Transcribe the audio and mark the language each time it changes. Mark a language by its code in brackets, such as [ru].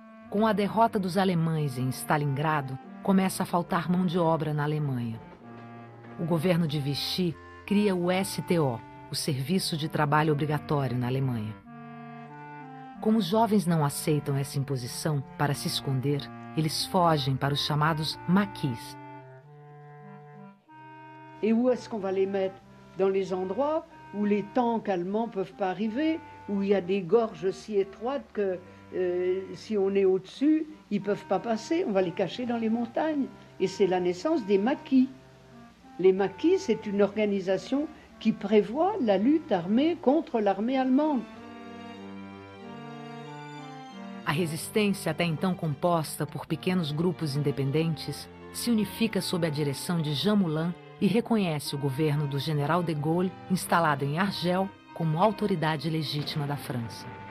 [pt] Com a derrota dos alemães em Stalingrado, começa a faltar mão de obra na Alemanha. O governo de Vichy cria o STO, o Serviço de Trabalho Obrigatório na Alemanha. Como os jovens não aceitam essa imposição, para se esconder, eles fogem para os chamados maquis. [fr] Et où est-ce qu'on va les mettre? Dans les endroits où les tanks allemands ne peuvent pas arriver, où il y a des gorges si étroites que si on est au-dessus, ils ne peuvent pas passer. On va les cacher dans les montagnes. Et c'est la naissance des maquis. Les maquis, c'est une organisation qui prévoit la lutte armée contre l'armée allemande. [pt] A résistance, até então composta por pequenos grupos independentes, se unifica sob a direção de Jean Moulin e reconhece o governo do general de Gaulle, instalado em Argel, como autoridade legítima da França.